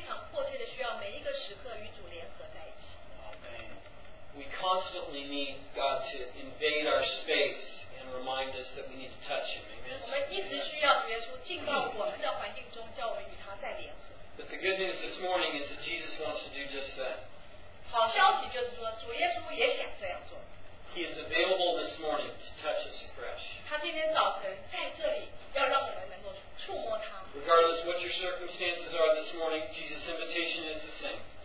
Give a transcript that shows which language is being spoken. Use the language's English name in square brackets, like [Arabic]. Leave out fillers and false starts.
[Chinese] 我不知道你们怎么样，但是我个人来说，我非常迫切的需要每一个时刻与主联合在一起。 [English] Amen. We constantly need God to invade our space and remind us that we need to touch Him. Amen. [Chinese] 我们一直需要主耶稣进到我们的环境中，叫我们与他再联合。 [English] But the good news this morning is that Jesus wants to do just that. [Chinese] 好消息就是说，主耶稣也想这样做。 [English] He is available this morning to touch us afresh. Regardless of what your circumstances are this morning, Jesus' invitation is the same.